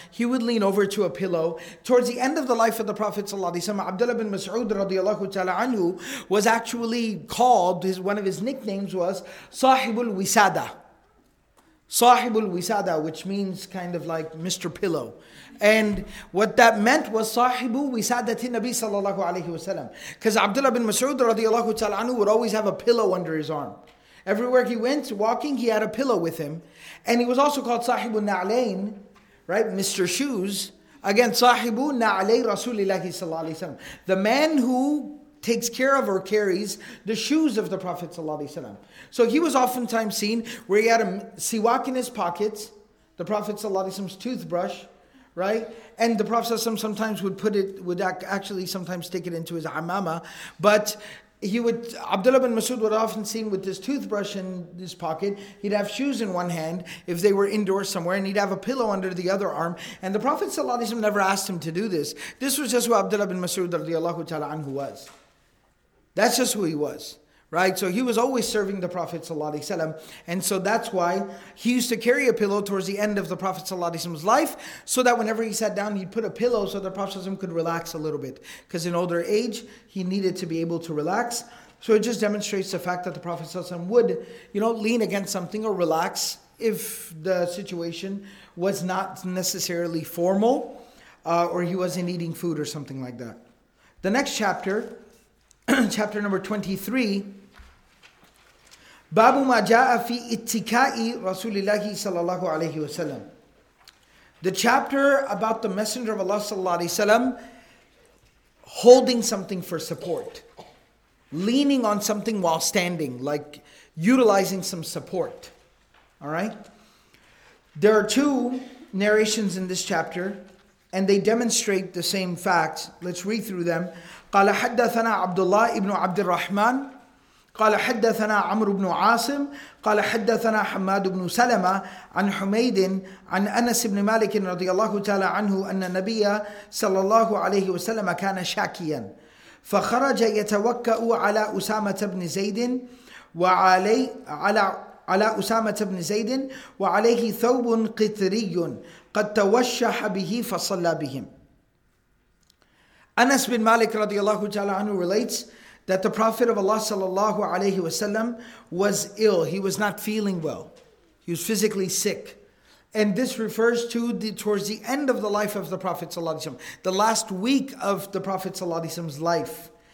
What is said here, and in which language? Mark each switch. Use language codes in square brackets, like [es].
[en] He would lean over to a pillow. Towards the end of the life of the Prophet ﷺ, Abdullah bin Mas'ud radiallahu ta'ala anhu was actually called, one of his nicknames was Sahibul Wisada. [ar] صاحب الوسادة, [en] which means kind of like Mr. Pillow. And what that meant was [ar] صاحب وسادة النبي صلى الله عليه وسلم. [en] Because Abdullah bin Mas'ud [ar] رضي الله تعالى عنه [en] would always have a pillow under his arm. Everywhere he went walking, he had a pillow with him. And he was also called [ar] صاحب النعلين, [en] right? Mr. Shoes. Again, [ar] صاحب نعلي رسول الله صلى الله عليه وسلم. [en] The man who takes care of or carries the shoes of the Prophet ﷺ. So he was oftentimes seen where he had a siwak in his pockets, the Prophet ﷺ's toothbrush, right? And the Prophet ﷺ sometimes would put it, would actually sometimes stick it into his amama. But he would, Abdullah bin Mas'ud would often seen with this toothbrush in his pocket. He'd have shoes in one hand if they were indoors somewhere, and he'd have a pillow under the other arm. And the Prophet ﷺ never asked him to do this. This was just who Abdullah bin Mas'ud radiallahu ta'ala anhu was. That's just who he was, right? So he was always serving the Prophet ﷺ. And so that's why he used to carry a pillow towards the end of the Prophet ﷺ's life, so that whenever he sat down, he'd put a pillow so the Prophet ﷺ could relax a little bit. Because in older age, he needed to be able to relax. So it just demonstrates the fact that the Prophet ﷺ would, you know, lean against something or relax if the situation was not necessarily formal, or he wasn't eating food or something like that. The next chapter, chapter number 23, [ar] بَابُ مَا جَاءَ فِي إِتِّكَاءِ رَسُولِ اللَّهِ صَلَى اللَّهُ عَلَيْهِ وَسَلَّمُ. [en] The chapter about the Messenger of Allah [ar] صلى الله عليه وسلم [en] holding something for support. Leaning on something while standing, like utilizing some support. Alright? There are two narrations in this chapter, and they demonstrate the same facts. Let's read through them. [ar] قال حدثنا عبد الله ابن عبد الرحمن قال حدثنا عمرو بن عاصم قال حدثنا حماد بن سلمة عن حميد عن أنس بن مالك رضي الله تعالى عنه أن النبي صلى الله عليه وسلم كان شاكيا فخرج يتوكأ على أسامة بن زيد وعلى أسامة بن زيد وعليه ثوب قطري قد توشح به فصلى بهم. [en] Anas bin Malik radiallahu ta'ala anhu relates that the Prophet of Allah sallallahu alayhi wasallam was ill. He was not feeling well. He was physically sick. And this refers to the towards the end of the life of the Prophet sallallahu alayhi wasallam, the last week of the Prophet sallallahu alayhi wasallam's life.